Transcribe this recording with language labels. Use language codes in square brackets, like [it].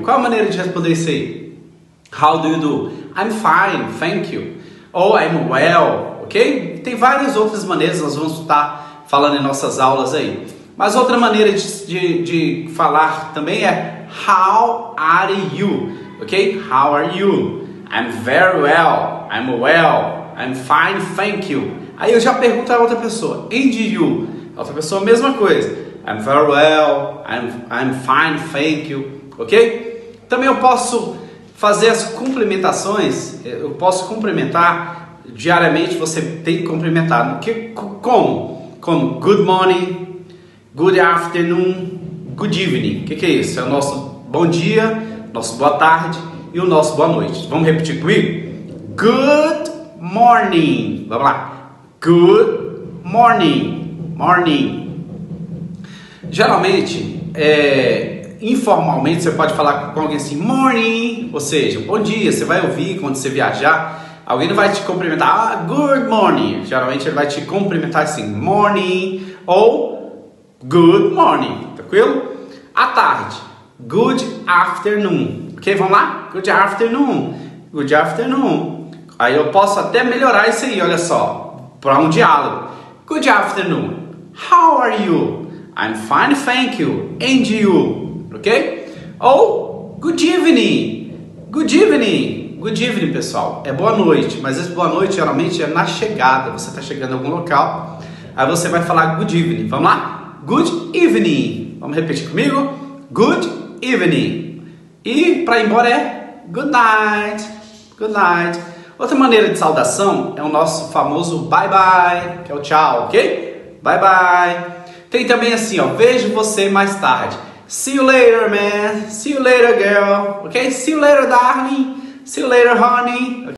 [pt] Qual a maneira de responder isso aí? [en] How do you do? I'm fine, thank you. [pt] Ou [en] I'm well, [pt] ok? Tem várias outras maneiras, nós vamos estar falando em nossas aulas aí. Mas outra maneira de falar também é [en] how are you, [pt] ok? [en] How are you? I'm very well, I'm well, I'm fine, thank you. [pt] Aí eu já pergunto a outra pessoa, [en] and you? [pt] A outra pessoa, mesma coisa. [en] I'm very well, I'm fine, thank you, ok? [pt] Também eu posso fazer as cumprimentações, eu posso cumprimentar diariamente, você tem que cumprimentar. Como? [en] Como good morning, good afternoon, good evening. [pt] Que é isso? É o nosso bom dia, nosso boa tarde e o nosso boa noite. Vamos repetir comigo? [en] Good morning. [pt] Vamos lá. [en] Good morning. Morning. [pt] Geralmente, informalmente, você pode falar com alguém assim, morning. Ou seja, bom dia. Você vai ouvir quando você viajar. Alguém vai te cumprimentar. Ah, [en] good morning. [pt] Geralmente, ele vai te cumprimentar assim, morning. Ou [en] good morning, [pt] tranquilo? À tarde, [en] good afternoon, [pt] ok? Vamos lá? [en] Good afternoon, good afternoon. [pt] Aí eu posso até melhorar isso aí, olha só, para um diálogo. [en] Good afternoon, how are you? I'm fine, thank you, and you, ok? Ou, good evening, good evening, good evening, pessoal. [pt] É boa noite, mas esse boa noite geralmente é na chegada, você está chegando em algum local, aí você vai falar [en] good evening, [pt] vamos lá? [en] Good evening. [pt] Vamos repetir comigo? [en] Good evening. [pt] E para ir embora é [en] good night. Good night. [pt] Outra maneira de saudação é o nosso famoso [en] bye bye, [pt] que é o tchau, ok? [en] Bye bye. [pt] Tem também assim, ó, vejo você mais tarde. [en] See you later, man. See you later, girl. Ok? See you later, darling. See you later, honey. Okay?